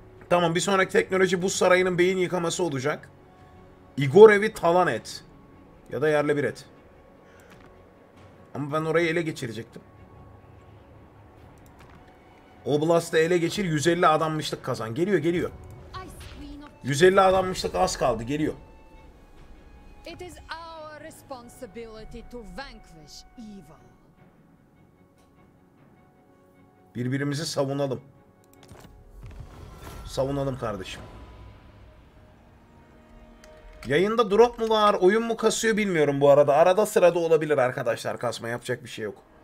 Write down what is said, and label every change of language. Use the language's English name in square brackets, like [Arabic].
[Turkish] Tamam, bir sonraki teknoloji bu sarayının beyin yıkaması olacak. Igorev'i talan et. Ya da yerle bir et. Ama ben orayı ele geçirecektim. Oblast'ı ele geçir, 150 adammışlık kazan. Geliyor, geliyor. 150 adammışlık az kaldı, geliyor. [English] It is our responsibility to vanquish evil. [Turkish] Birbirimizi savunalım. Savunalım kardeşim. Yayında drop mu var, oyun mu kasıyor bilmiyorum bu arada. Arada sırada olabilir arkadaşlar kasma, yapacak bir şey yok.